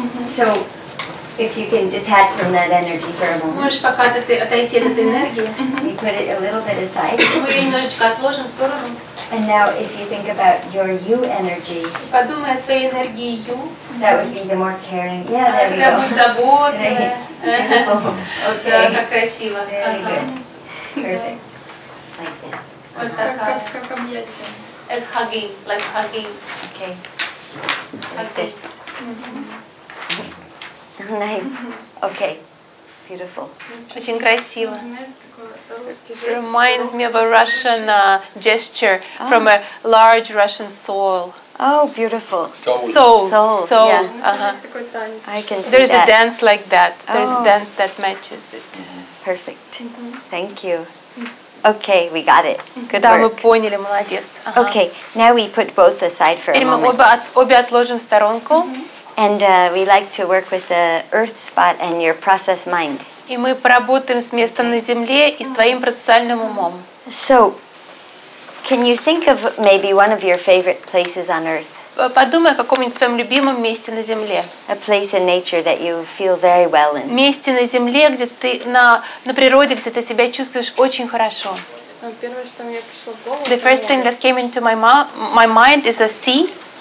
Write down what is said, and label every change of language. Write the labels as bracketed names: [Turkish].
[English] So, if you can detach from that energy for a moment. [Russian] Можешь пока отойти от этой энергии. [English] You put it a little bit aside. [Russian] Мы немножечко отложим в сторону. [English] And now, if you think about your U energy, [Russian] подумай о своей энергии U. [English] That would be the more caring. Yeah, there you go. [Russian] Это как будто заботливая. [English] Okay. Okay. [Russian] Да, как красиво. [English] Very good. Perfect. Like this. [Russian] Вот такая. Как объятие. [English] As hugging, like hugging. Okay. Like this. Nice. Okay. Beautiful. [Russian] Очень красиво. [English] It reminds me of a Russian gesture from a large Russian soul. Oh, beautiful. Soul. Yeah. I can see There's that. A dance like that. There's a dance that matches it. Perfect. Thank you. Okay, we got it. Good [Russian] да, [English] work. [Russian] Мы поняли, молодец. [English] Okay, now we put both aside for [Russian] Теперь [English] a moment. [Russian] Обе отложим в сторонку. [English] And we like to work with the earth spot and your process mind. [Russian] И мы поработаем с местом на земле и с твоим процессуальным умом. [English] So, can you think of maybe one of your favorite places on earth? [Russian] Подумай о каком-нибудь своем любимом месте на земле. [English] A place in nature that you feel very well in. [Russian] Месте на земле, где ты на природе, где ты себя чувствуешь очень хорошо. Первое, что мне пришло в голову. [English] The first thing that came into my mind is a sea.